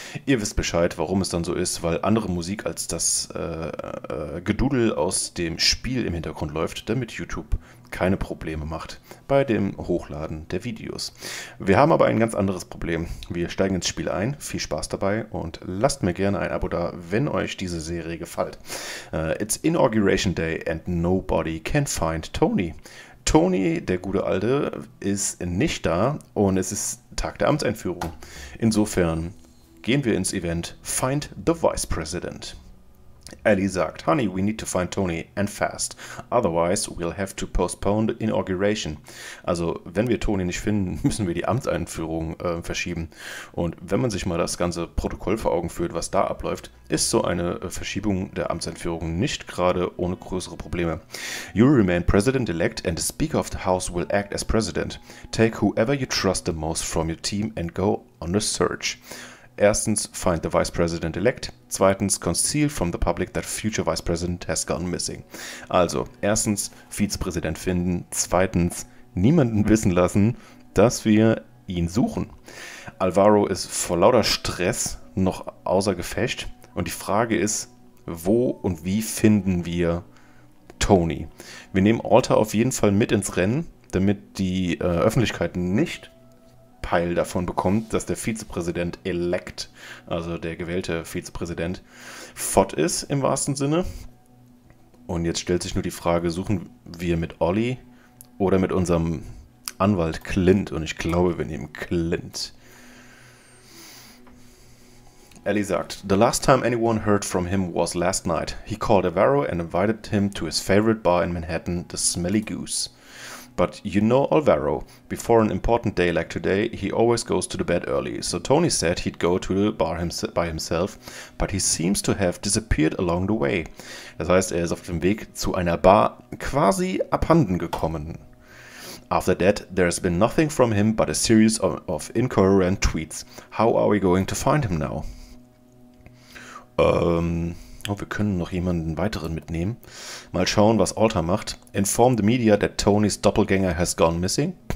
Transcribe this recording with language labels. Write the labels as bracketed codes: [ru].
[de] Ihr wisst Bescheid, warum es dann so ist, weil andere Musik als das Gedudel aus dem Spiel im Hintergrund läuft, damit YouTube keine Probleme macht bei dem Hochladen der Videos. Wir haben aber ein ganz anderes Problem. Wir steigen ins Spiel ein, viel Spaß dabei und lasst mir gerne ein Abo da, wenn euch diese Serie gefällt. [en] It's Inauguration Day and nobody can find Tony. [de] Tony, der gute Alte, ist nicht da und es ist Tag der Amtseinführung. Insofern gehen wir ins Event [en] Find the Vice President. [de] Ellie sagt, [en] Honey, we need to find Tony and fast. Otherwise we'll have to postpone the inauguration. [de] Also, wenn wir Tony nicht finden, müssen wir die Amtseinführung verschieben. Und wenn man sich mal das ganze Protokoll vor Augen führt, was da abläuft, ist so eine Verschiebung der Amtseinführung nicht gerade ohne größere Probleme. [en] You remain president-elect and the speaker of the house will act as president. Take whoever you trust the most from your team and go on a search. Erstens, find the vice president elect. Zweitens, conceal from the public that future vice president has gone missing. [de] Also, erstens, Vizepräsident finden. Zweitens, niemanden wissen lassen, dass wir ihn suchen. Alvaro ist vor lauter Stress noch außer Gefecht. Und die Frage ist, wo und wie finden wir Tony? Wir nehmen Alter auf jeden Fall mit ins Rennen, damit die Öffentlichkeit nicht Peil davon bekommt, dass der Vizepräsident elect, also der gewählte Vizepräsident, fort ist im wahrsten Sinne. Und jetzt stellt sich nur die Frage, suchen wir mit Olli oder mit unserem Anwalt Clint? Und ich glaube, wir nehmen Clint. [en] Ellie sagt, the last time anyone heard from him was last night. He called Alvaro and invited him to his favorite bar in Manhattan, the Smelly Goose. But you know Alvaro, before an important day like today, he always goes to the bed early. So Tony said he'd go to the bar by himself, but he seems to have disappeared along the way. [de] Das heißt, er ist auf dem Weg zu einer Bar quasi abhanden gekommen. [en] After that, there's been nothing from him but a series of incoherent tweets. How are we going to find him now? [de] Oh, wir können noch jemanden weiteren mitnehmen. Mal schauen, was Alter macht. [en] Inform the media that Tony's doppelganger has gone missing.